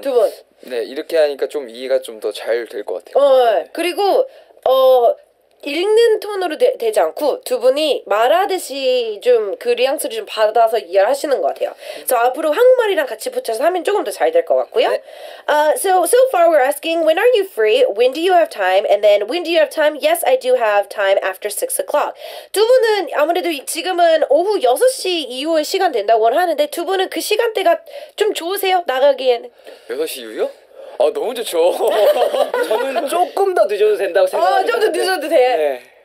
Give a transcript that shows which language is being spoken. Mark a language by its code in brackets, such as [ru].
[ko] 두 분. 네, 이렇게 하니까 좀 이해가 좀 더 잘 될 것 같아요. 그리고 읽는 톤으로 되지 않고 두 분이 말하듯이 좀 그 뉘앙스를 좀 받아서 이해하시는 것 같아요. 그래서 앞으로 한국말이랑 같이 붙여서 하면 조금 더 잘 될 것 같고요. 네. [en] So far we're asking, when are you free? When do you have time? And then, when do you have time? Yes, I do have time after 6 o'clock. [ko] 두 분은 아무래도 지금은 오후 6시 이후에 시간 된다고 하는데 두 분은 그 시간대가 좀 좋으세요? 나가기에는. 6시 이후요? 아 너무 좋죠. 저는 조금 더 늦어도 된다고 생각합니다. 아 좀 더 늦어도 돼. 네.